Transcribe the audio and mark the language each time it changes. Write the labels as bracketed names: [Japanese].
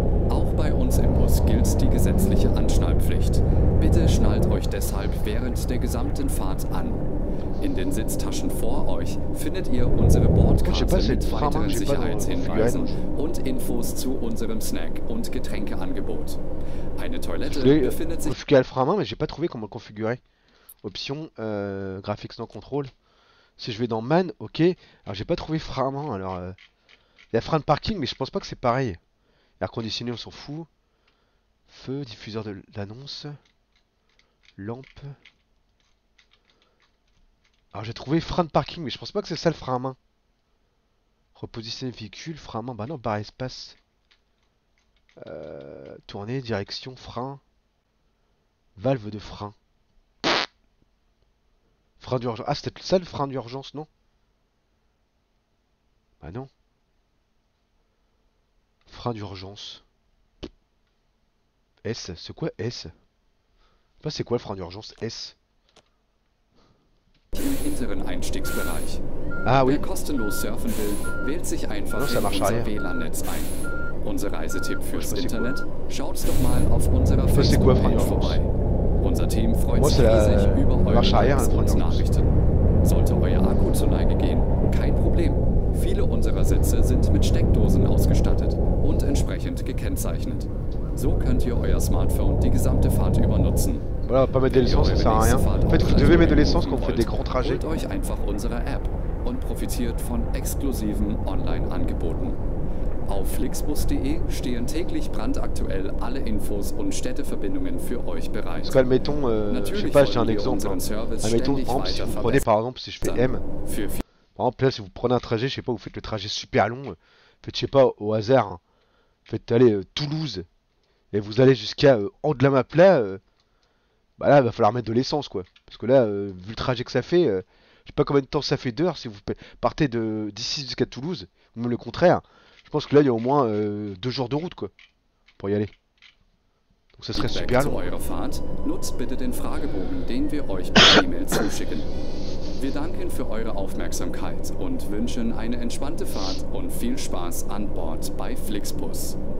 [German] Auch bei uns im Bus gilt die gesetzliche Anschnallpflicht. Bitte schnallt euch deshalb während der gesamten Fahrt an. In den Sitztaschen vor euch findet ihr unsere Bordkarte mit weiteren Sicherheitshinweisen und Infos zu unserem Snack- und Getränkeangebot. Eine Toilette befindet sich... [French] Configurer le frein à main, mais j'ai pas trouvé comment le configurer. Option, graphics non contrôle. Si je vais dans man, ok. Alors j'ai pas trouvé frein à main, alors... Il y a frein de parking, mais je pense pas que c'est pareil. Air conditionné, on s'en fout. Feu, diffuseur de l'annonce. Lampe. Alors j'ai trouvé frein de parking, mais je pense pas que c'est ça le frein à main. Repositionner véhicule, frein à main, bah non, barre espace. Tourner, direction, frein. Valve de frein. Frein d'urgence. Ah, c'était ça le frein d'urgence, non? Bah non. Frein d'urgence. S, c'est quoi S? Je sais pas c'est quoi le frein d'urgence S. [German] Einstiegsbereich. [French] Ah oui. [German] Wer kostenlos surfen will, wählt sich einfach in unser WLAN-Netz ein. Unser Reisetipp fürs Internet? Schaut doch mal auf unserer Facebook-Page vorbei. Unser Team freut sich riesig über eure Nachrichten. Sollte euer Problem zur Neige gehen. Kein Problem. Viele unserer Sitze sind mit Steckdosen ausgestattet und entsprechend gekennzeichnet. So könnt ihr euer Smartphone die gesamte Fahrt über nutzen. [French] Voilà, pas mettre de l'essence, ça sert à rien. En fait, vous devez mettre de l'essence quand vous faites des grands trajets. [German] Holt euch einfach unsere App und profitiert von exklusiven Online-Angeboten. Auf flixbus.de stehen täglich brandaktuell alle Infos und Städteverbindungen für euch bereit. [French] Parce que, admettons, je sais pas, j'ai un exemple. Admettons, par exemple, si vous prenez, par exemple, si je fais M. Par exemple, là, si vous prenez un trajet, je sais pas, vous faites le trajet super long. Faites, je sais pas, au hasard. Hein. Faites aller Toulouse. Et vous allez jusqu'à Andlamapla. Bah là, il va falloir mettre de l'essence, quoi. Parce que là, vu le trajet que ça fait, je sais pas combien de temps ça fait d'heures si vous partez de d'ici jusqu'à Toulouse, ou même le contraire. Je pense que là, il y a au moins 2 jours de route, quoi, pour y aller. Donc ça serait super long. [German] Eurer Fahrt, nutzt bitte den Fragebogen, den wir euch per E-Mail zuschicken. Wir danken für eure Aufmerksamkeit und wünschen eine entspannte Fahrt und viel Spaß an Bord bei Flixbus.